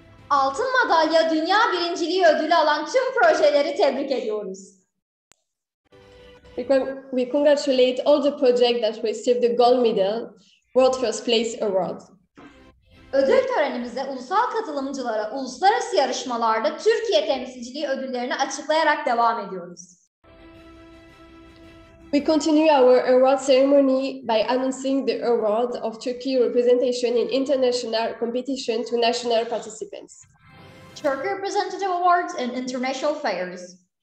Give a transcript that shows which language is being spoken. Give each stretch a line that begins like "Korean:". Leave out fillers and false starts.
Turkish: Altın madalya dünya birinciliği ödülü alan tüm projeleri tebrik ediyoruz.
English: We congratulate all the projects that received the gold medal, World First Place Award.
Turkish: Ödül törenimize ulusal katılımcılara uluslararası yarışmalarda Türkiye temsilciliği ödüllerini açıklayarak devam ediyoruz.
English: We continue our award ceremony by announcing the award of Turkey representation in international competition to national participants. Turkey representative awards in international fairs.